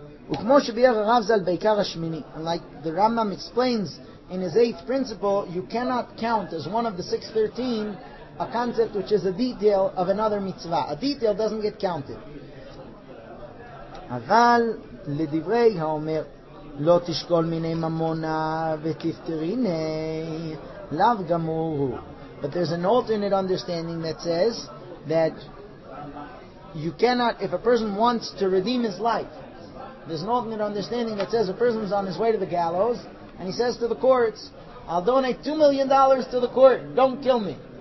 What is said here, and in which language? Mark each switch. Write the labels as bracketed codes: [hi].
[he] וכמו שביאר הרב זל בעיקר השמיני, [en] like the Rambam explains in his eighth principle, you cannot count as one of the 613 a concept which is a detail of another mitzvah. A detail doesn't get counted. [he] אבל לדברי האומר, לא תשקול מיני ממונה ותפטריני, לאו גמור. [en] But there's an alternate understanding that says that you cannot, if a person wants to redeem his life, there's an alternate understanding that says a person's on his way to the gallows and he says to the courts, I'll donate $2 million to the court, don't kill me.